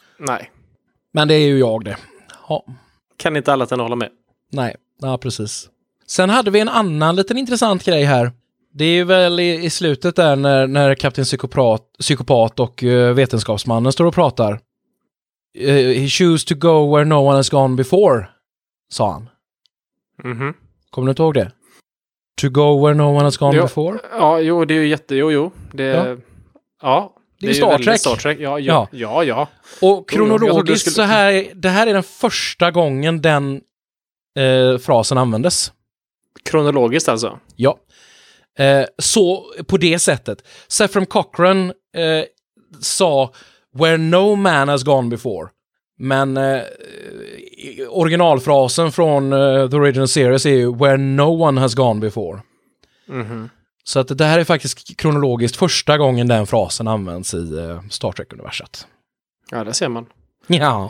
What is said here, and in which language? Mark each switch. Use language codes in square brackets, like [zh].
[sv] Nej. Men det är ju jag det. Ja. Kan inte alla tända hålla med? Nej, ja, precis. Sen hade vi en annan liten intressant grej här. Det är ju väl i slutet där när kapten psykopat och vetenskapsmannen står och pratar. [en] He choose to go where no one has gone before, [sv] sa han. Mm-hmm. Kommer du inte ihåg det? [en] To go where no one has gone before? [sv] Ja, jo, det är ju jätte... Jo. Det, ja. Det är Star Trek. Star Trek. Ja. Och kronologiskt så här... Det här är den första gången den frasen användes. Kronologiskt alltså? Ja. Så på det sättet. Saffron Cochrane sa... [en] Where no man has gone before. [sv] Men originalfrasen från The Original Series är ju [en] where no one has gone before. Mm-hmm. [sv] Så att det här är faktiskt kronologiskt första gången den frasen används i Star Trek-universet. Ja, det ser man. Ja.